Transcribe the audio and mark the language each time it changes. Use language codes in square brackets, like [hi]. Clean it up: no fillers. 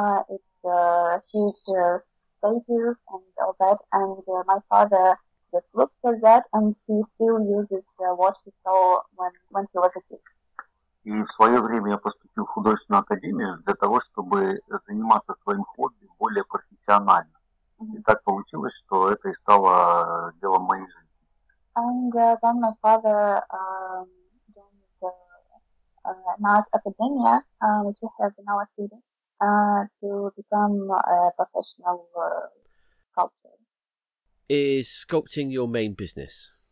[en] It's huge statues and all that, and my father just looked at that, and he still uses what he saw when he was a kid. [ru] И в свое время я поступил в художественную академию для того, чтобы заниматься своим хобби более профессионально. И так получилось, что это и стало делом моей жизни. [en] And then my father joined the NAS Academia, which we have in our city, to become a professional sculptor. Is sculpting your main business?